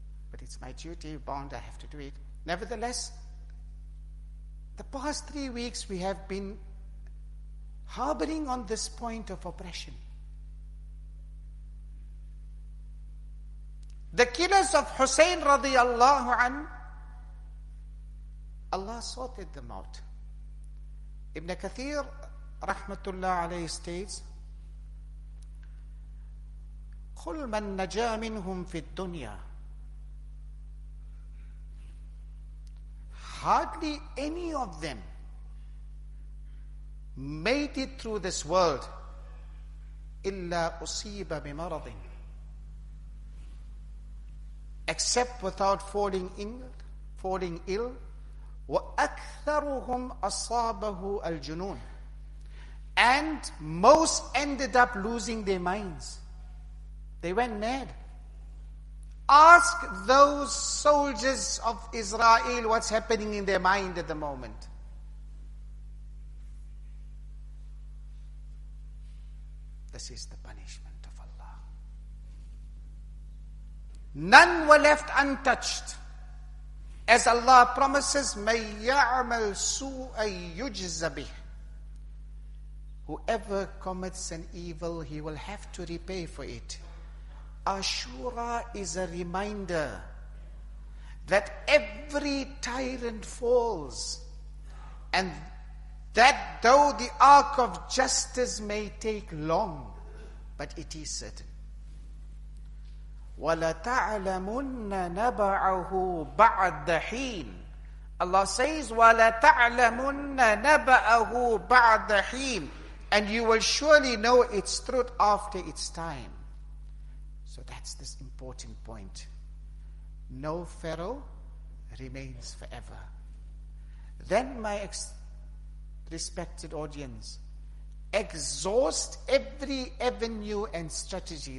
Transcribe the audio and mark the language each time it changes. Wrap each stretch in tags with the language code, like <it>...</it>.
<en>But it's my duty bound, I have to do it. Nevertheless, the past 3 weeks we have been harboring on this point of oppression. The killers of Hussein radiallahu an, Allah sorted them out. Ibn Kathir rahmatullah alayhi states,</en> <ar>قُلْ مَنْ نَجَى مِنْهُمْ فِي الدُّنْيَا.</ar> <en>Hardly any of them made it through this world</en> <ar>إِلَّا أُصِيبَ بِمَرَضٍ,</ar> <en>except without falling ill</en> <ar>وأكثرهم أصابه الجنون.</ar> <en>And most ended up losing their minds. They went mad. Ask those soldiers of Israel what's happening in their mind at the moment. This is the punishment of Allah. None were left untouched. As Allah promises,</en> <ar>مَنْ يَعْمَلْ سُوءًا يُجْزَ بِهِ.</ar> <en>Whoever commits an evil, he will have to repay for it. Ashura is a reminder that every tyrant falls, and that though the arc of justice may take long, but it is certain.</en> <ar>وَلَتَعْلَمُنَّ نَبَعَهُ بَعْدَ حِينَ.</ar> <en>Allah says,</en> <ar>وَلَتَعْلَمُنَّ نَبَعَهُ بَعْدَ حِينَ.</ar> <en>And you will surely know its truth after its time. So that's this important point. No Pharaoh remains forever. Then, my respected audience, exhaust every avenue and strategy.</en>